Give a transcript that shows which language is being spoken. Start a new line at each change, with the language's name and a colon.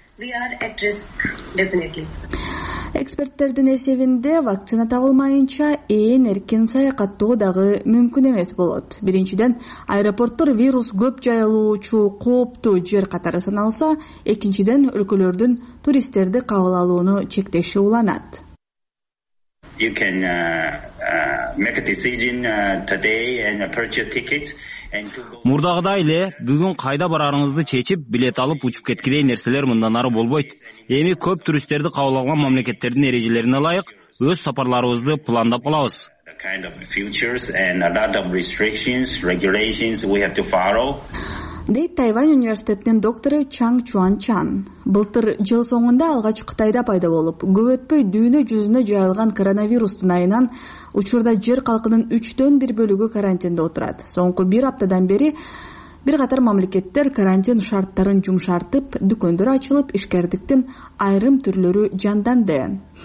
Kyrgyz: Эксперттердин эсебинде вакцина табылмайынча ээн эркин саякаттоо дагы мүмкүн эмес болот. Биринчиден, аэропорттор вирус көп жайылуучу кооптуу жер катары саналса, экинчиден өлкөлөрдүн туристтерди кабыл алууну чектеши уланат.
English: You can make a decision today and purchase tickets.
Kyrgyz: Мурдагыдай эле бүгүн кайда барарыңызды чечип, билет алып учуп кеткидей нерселер мындан ары болбойт. Эми көп туристтерди кабыл алган мамлекеттердин эрежелерине ылайык өз сапарларыбызды пландап калабыз. Дейт Тайвань университетинин доктору Чанг Чуан Чан. Былтыр жыл соңунда алгач Кытайда пайда болуп, көп өтпөй дүйнө жүзүнө жайылган коронавирустун айынан учурда жер калкынын 1/3 бөлүгү карантинде отурат. Соңку бир аптадан бери бир катар мамлекеттер карантин шарттарын жумшартып, дүкөндөр ачылып, ишкердиктин айрым түрлөрү жанданды.